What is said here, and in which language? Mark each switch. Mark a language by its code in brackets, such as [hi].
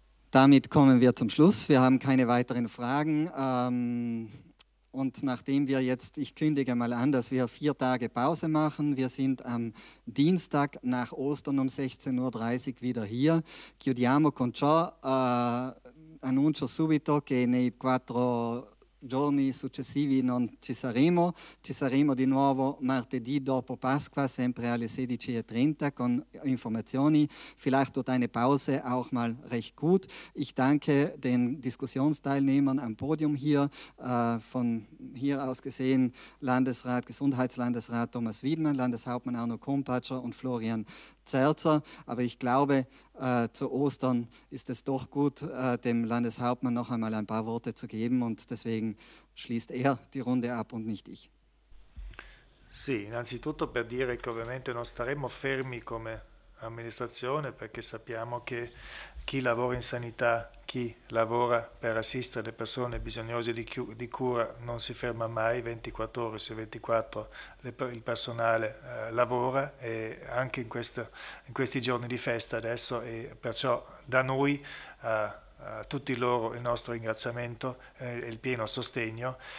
[de] Damit kommen wir zum Schluss. Wir haben keine weiteren Fragen. Und nachdem wir jetzt, ich kündige mal an, dass wir 4 Tage Pause machen, wir sind am Dienstag nach Ostern um 16.30 Uhr wieder hier. [it] Chiudiamo con ciò, annuncio subito che nei 4 giorni successivi non ci saremo. Ci saremo di nuovo martedì dopo Pasqua, sempre alle 16.30 Uhr con informazioni. [de] Vielleicht tut eine Pause auch mal recht gut. Ich danke den Diskussionsteilnehmern am Podium hier. Von hier aus gesehen Landesrat, Gesundheitslandesrat Thomas Wiedmann, Landeshauptmann Arno Kompatscher und Florian Zerzer. Aber ich glaube, zu Ostern ist es doch gut, dem Landeshauptmann noch einmal ein paar Worte zu geben, und deswegen schließt er die Runde ab und nicht ich. [it] Sì, innanzitutto per dire che ovviamente non staremo fermi come amministrazione, perché sappiamo che chi lavora in sanità, chi lavora per assistere le persone bisognose di cura non si ferma mai, 24 ore su 24 il personale lavora, e anche in questi giorni di festa adesso, e perciò da noi a tutti loro il nostro ringraziamento e il pieno sostegno.